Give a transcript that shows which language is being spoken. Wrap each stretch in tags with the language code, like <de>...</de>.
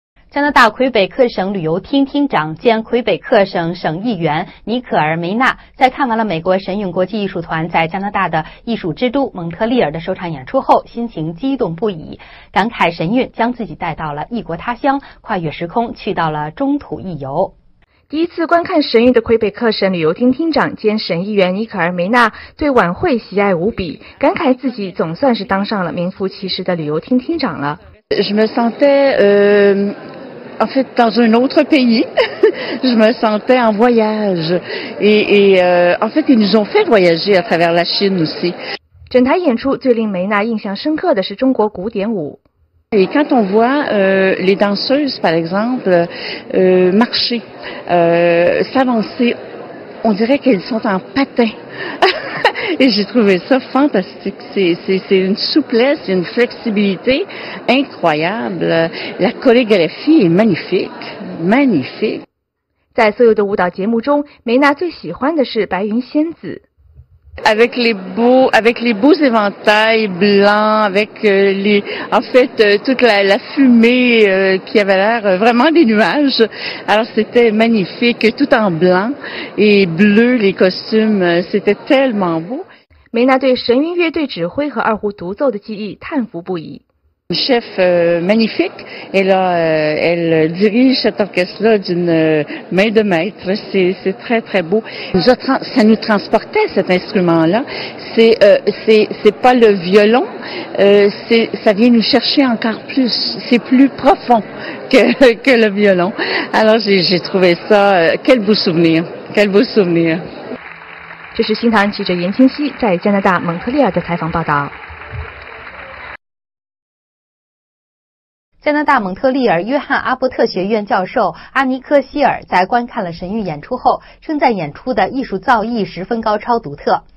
<zh>加拿大魁北克省旅游厅厅长兼魁北克省省议员尼可尔梅纳在看完了美国神韵国际艺术团在加拿大的艺术之都蒙特利尔的首场演出后，心情激动不已，感慨神韵将自己带到了异国他乡，跨越时空去到了中土一游。第一次观看神韵的魁北克省旅游厅厅长兼省议员尼可尔梅纳对晚会喜爱无比，感慨自己总算是当上了名副其实的旅游厅厅长了。</zh> <fr>Je me sentais, En fait, dans un autre pays, je me sentais en voyage. Et en fait, ils nous ont fait voyager à travers la Chine aussi.</fr> <zh>整台演出最令梅娜印象深刻的是中国古典舞。</zh> <fr>Et quand on voit les danseuses, par exemple, marcher, s'avancer, on dirait qu'elles sont en patins. Et j'ai trouvé ça fantastique. C'est une souplesse, une flexibilité incroyable. La chorégraphie est magnifique, magnifique.</fr> <zh>在所有的舞蹈节目中，梅娜最喜欢的是《白云仙子》。</zh> <fr>Avec les beaux éventails blancs, avec les, en fait, toute la fumée qui avait l'air vraiment des nuages. Alors c'était magnifique, tout en blanc et bleu, les costumes, c'était tellement beau.</fr> <zh>梅娜对神韵乐队指挥和二胡独奏的技艺叹服不已。</zh> <fr>Chef magnifique, elle dirige cet orchestre-là d'une main de maître, c'est très très beau. Ça nous transportait cet instrument-là, c'est pas le violon, ça vient nous chercher encore plus, c'est plus profond que le violon. Alors j'ai trouvé ça, quel beau souvenir, quel beau souvenir.</fr> <zh>这是新唐记者严清溪在加拿大蒙特利尔的采访报道。加拿大蒙特利尔约翰阿伯特学院教授阿尼科希尔在观看了神韵演出后，称赞演出的艺术造诣十分高超独特。</zh>